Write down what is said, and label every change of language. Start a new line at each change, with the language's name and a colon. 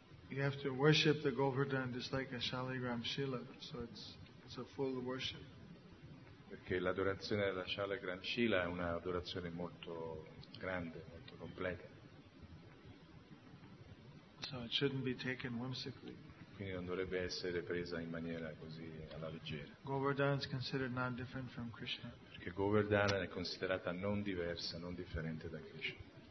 English: You have to worship the Govardhan just like a Shaligram Shila, so it's a full worship.
Italian: Perché l'adorazione della Shaligram Shila è un'adorazione molto grande, molto completa.
English: So it shouldn't be taken whimsically.
Italian: Quindi non dovrebbe essere presa in maniera così alla leggera.
English: Govardhan is considered not different from Krishna.
Italian: Perché Govardhan è considerata non diversa, non differente da Krishna.